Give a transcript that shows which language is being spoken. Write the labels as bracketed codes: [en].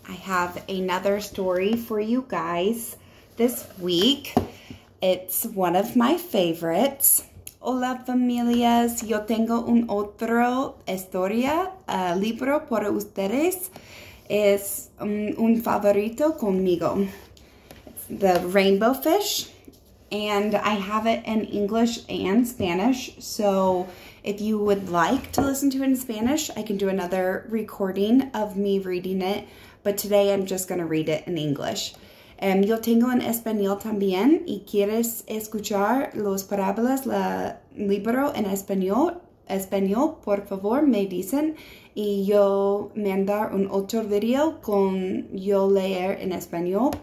[en] I have another story for you guys this week. It's one of my favorites. [es] Hola, familias. Yo tengo un otro historia, libro para ustedes. Es un favorito conmigo. [en] It's the Rainbow Fish. And I have it in English and Spanish. So if you would like to listen to it in Spanish, I can do another recording of me reading it. But today I'm just going to read it in English. [es] Yo tengo en español también. Y quieres escuchar los parábolas, la libro en español. Español, por favor, me dicen. Y yo mandar un otro video con yo leer en español.